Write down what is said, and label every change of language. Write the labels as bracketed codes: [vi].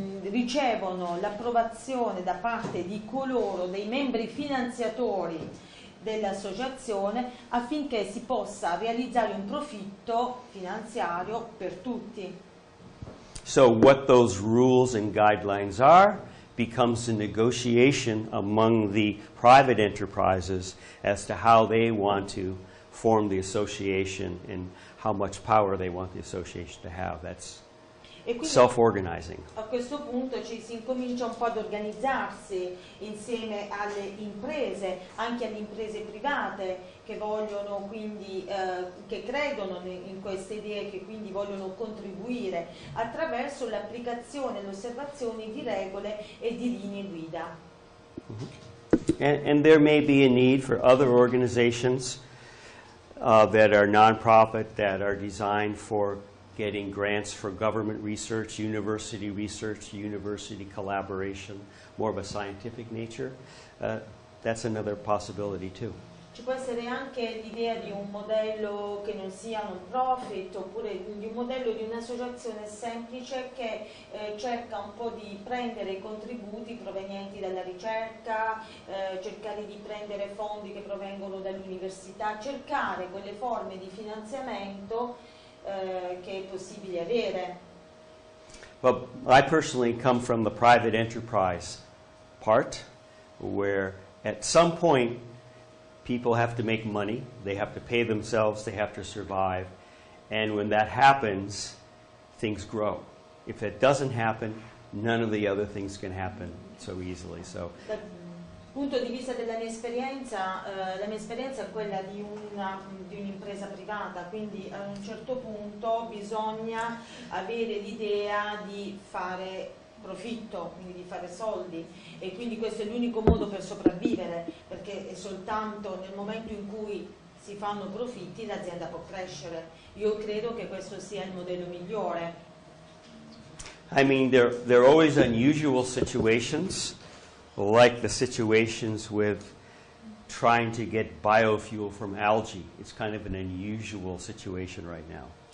[it] ricevono l'approvazione da parte di coloro, dei membri finanziatori dell'associazione, affinché si possa realizzare un profitto finanziario per tutti. [en] So what those rules and guidelines are becomes a negotiation among the private enterprises as to how they want to form the association and how much power they want the association to have. That's self-organizing. [it] A questo punto ci si incomincia un po' ad organizzarsi insieme alle imprese, anche alle imprese private che vogliono quindi, che credono in queste idee, che quindi vogliono contribuire attraverso l'applicazione e l'osservazione di regole e di linee guida. [en] And there may be a need for other organizations that are non-profit, that are designed for getting grants for government research, university collaboration, more of a scientific nature, that's another possibility too. [it] Ci può essere anche l'idea di un modello che non sia non profit, oppure di un modello di un'associazione semplice che cerca un po' di prendere contributi provenienti dalla ricerca, cercare di prendere fondi che provengono dall'università, cercare quelle forme di finanziamento che è possibile avere. [en] Well, I personally come from the private enterprise part, where at some point people have to make money, they have to pay themselves, they have to survive, and when that happens, things grow. If it doesn't happen, none of the other things can happen so easily. So, [it] punto di vista della mia esperienza, la mia esperienza è quella di un'impresa privata, quindi a un certo punto bisogna avere l'idea di fare profitto, quindi di fare soldi, e quindi questo è l'unico modo per sopravvivere, perché è soltanto nel momento in cui si fanno profitti l'azienda può crescere. Io credo che questo sia il modello migliore. [en] I mean, there are always unusual situations, like the situations with trying to get biofuel from algae. It's kind of an unusual situation right now.